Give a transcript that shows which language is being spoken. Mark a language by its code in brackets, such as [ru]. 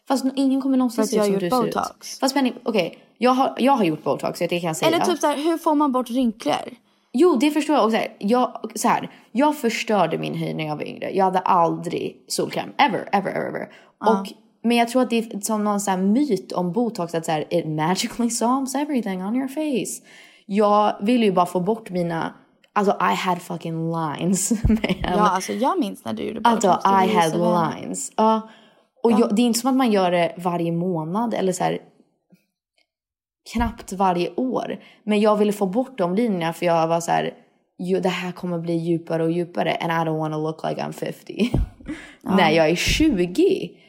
[sv] Fast ingen kommer någonsin se ut som du ser ut. För att jag har gjort Botox. Fast Penny, okej. Jag har gjort Botox, så det kan jag säga. Eller typ så här, hur får man bort rynklor? Jo, det förstår jag också. Jag förstörde min hy när jag var yngre. Jag hade aldrig solkräm. Ever. Men jag tror att det är som någon så här myt om Botox. Att så här, [en] it magically solves everything on your face. [sv] Jag ville ju bara få bort mina... Alltså, [en] I had fucking lines, man. [sv] Ja, alltså jag minns när du gjorde Botox. Alltså, [en] I had lines. [sv] Och det är inte som att man gör det varje månad eller så här... knappt varje år. Men jag ville få bort de linjerna för jag var så här, det här kommer bli djupare och djupare [en] and I don't want to look like I'm 50. [sv] Nej, jag är 20.